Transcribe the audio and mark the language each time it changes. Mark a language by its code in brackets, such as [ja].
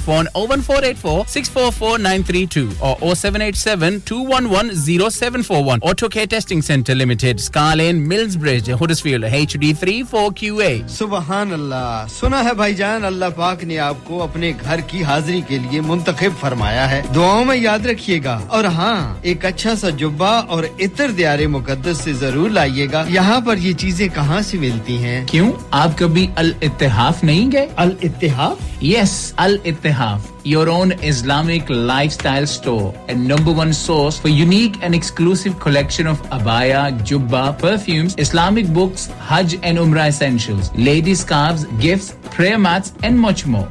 [en] Phone 01484 644932 or 0787 211 0741. Auto Care Testing Center Limited, Scar Lane, Millsbridge, Huddersfield, HD34QA. [ur] Subhanallah. Suna hai bhai jaan, Allah Paak ne aapko apne ghar ki hazri ke liye muntakhib فرمایا ہے. دعاؤں میں یاد رکھیے گا اور ہاں ایک اچھا سا جبہ اور عطر دیار مقدس سے ضرور لائیے گا. یہاں پر یہ چیزیں کہاں سے ملتی ہیں؟ کیوں آپ کبھی الاتحاف نہیں گئے؟ الاتحاف؟ [en] Yes, الاتحاف, your own Islamic lifestyle store and number one source for unique and exclusive collection of abaya, jubba, perfumes, Islamic books, Hajj and Umrah essentials, ladies scarves, gifts, prayer mats and much more.